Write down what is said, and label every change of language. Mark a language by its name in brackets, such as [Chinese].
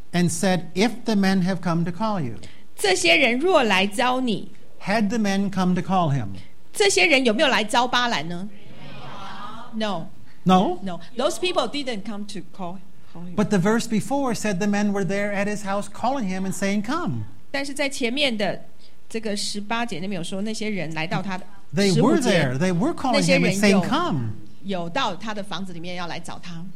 [English] And said, if the men have come to call you. [Chinese] 这些人若来招你。 [English] Had the men come to call him? [Chinese] 这些人有没有来招巴兰呢 No. [English] No? No. Those people didn't come to call him. But the verse before said the men were there at his house calling him and saying, come. [Chinese] 但是在前面的这个十八节那边有说那些人来到他的 [English] They were there. They were calling him and saying, come. [Chinese] 有到他的房子里面要来找他